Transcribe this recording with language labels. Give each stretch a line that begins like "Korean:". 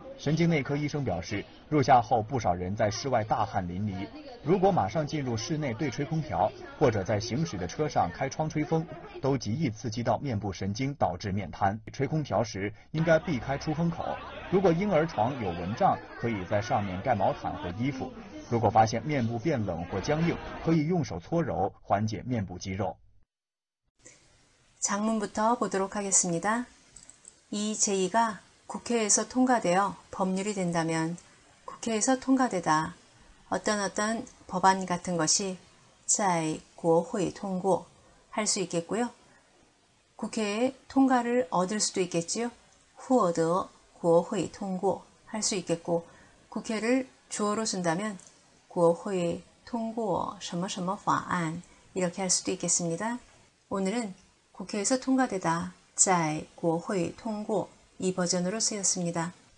Chinese: 神经内科医生表示，入夏后不少人在室外大汗淋漓，如果马上进入室内对吹空调，或者在行驶的车上开窗吹风，都极易刺激到面部神经，导致面瘫。吹空调时应该避开出风口，如果婴儿床有蚊帐，可以在上面盖毛毯和衣服。如果发现面部变冷或僵硬，可以用手搓揉缓解面部肌肉。
Korean: 장문부터보도록하겠습니다. 이 제의가 국회에서 통과되어 법률이 된다면 국회에서 통과되다. 어떤 법안 같은 것이
Chinese: 在 国会
Korean: 통과 할 수 있겠고요. 국회에 통과를 얻을 수도 있겠지요.
Chinese: 获得 国会
Korean: 통과 할 수 있겠고 국회를 주어로 쓴다면
Chinese: 国会通过什么什么法案，
Korean: 이렇게할수도있겠습니다。 오늘은국회에서통과되다，
Chinese: 在国会通过
Korean: 이버전으로쓰였습니다。